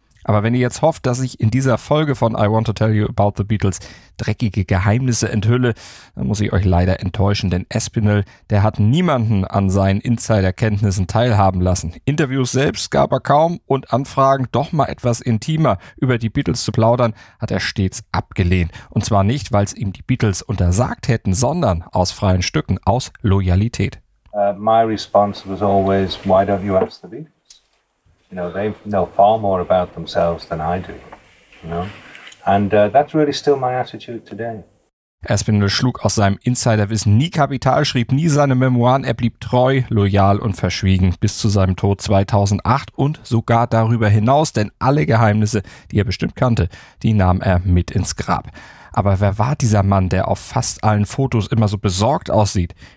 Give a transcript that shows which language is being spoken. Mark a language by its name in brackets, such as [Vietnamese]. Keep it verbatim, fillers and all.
[German] Aber wenn ihr jetzt hofft, dass ich in dieser Folge von I Want to Tell You About the Beatles dreckige Geheimnisse enthülle, dann muss ich euch leider enttäuschen, denn Aspinall, der hat niemanden an seinen Insiderkenntnissen teilhaben lassen. Interviews selbst gab er kaum und Anfragen, doch mal etwas intimer über die Beatles zu plaudern, hat er stets abgelehnt. Und zwar nicht, weil es ihm die Beatles untersagt hätten, sondern aus freien Stücken, aus Loyalität. [English] Uh, my response was always, why don't you ask the Beatles? You know, they know far more about themselves than I do, you know, and uh, that's really still my attitude today. [German] Aspinall schlug aus seinem Insiderwissen nie Kapital, schrieb nie seine Memoiren, er blieb treu, loyal und verschwiegen bis zu seinem Tod zweitausendacht und sogar darüber hinaus, denn alle Geheimnisse, die er bestimmt kannte, die nahm er mit ins Grab. Aber wer war dieser Mann, der auf fast allen Fotos immer so besorgt aussieht?